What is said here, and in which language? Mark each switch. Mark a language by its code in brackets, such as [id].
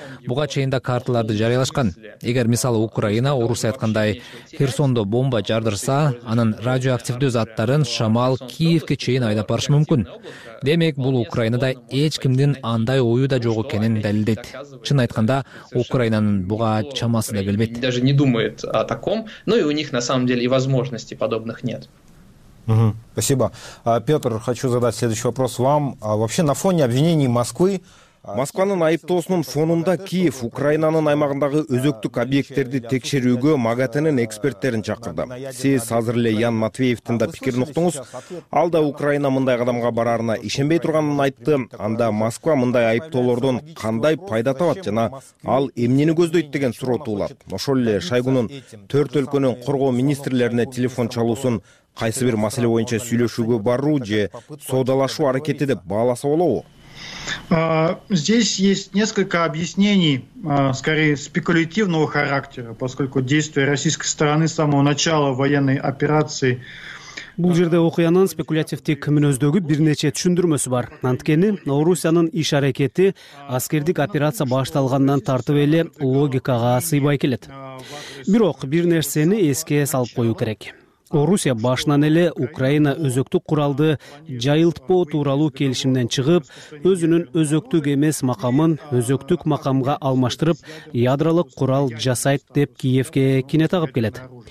[ky] Буга чейин да карталарды жарыялашкан. Эгер мисалы Украина орус айткандай Херсондо бомба жардырса, анын радиоактивдүү заттарын шамал Киевке чейин айдап барышы мүмкүн. Демек, бул Украинада эч кимдин андай ою да жок экенин далилдейт. Чын айтканда, Украинанын буга чамасы да келбейт. [ru] Даже не думает о таком, но и у них на самом деле и возможностей подобных нет. Спасибо. Петр, хочу задать следующий вопрос вам. Вообще, на фоне обвинений Москвы... [ky] Москванын айыптоосунун фонунда Киев Украинанын аймагындагы өзөктүк объекттерди текшерүүгө МАГАТЭнин эксперттерин чакырды. Сиз азыр эле Ян Матвеевдин да пикирин уктуңуз. Ал да Украина мындай кадамга барарына ишенбей турганын айтты. Анда Москва мындай айыптоолордон кандай пайда табат жана ал эмнени көздөйт деген суроо туулат. Ошол эле Шойгунун төрт өлкөнүн коргоо министрлерине телефон чалуусун кайсы бир маселе боюнча сүйлөшүүгө баруу же соодалашуу аракети деп бааласа болобу? [ru] Здесь есть несколько объяснений, скорее спекулятивного характера, поскольку действия российской стороны с самого начала военной операции. [ky] Бул жерде окуянын спекулятивдик мүнөздөгү бир нече түшүндүрмөсү бар. Анткени Орусиянын иш аракети аскердик операция башталгандан тартып эле логикага сыйбай келет. Бирок бир нерсени эске салып коюу керек. Орусия башынан эле Украина өзөктүк куралды жайылтпоо тууралуу келишимден чыгып, өзүнүн өзөктүк эмес макамын өзөктүк макамга алмаштырып, ядролук курал жасайт деп Киевке кине тагып келет.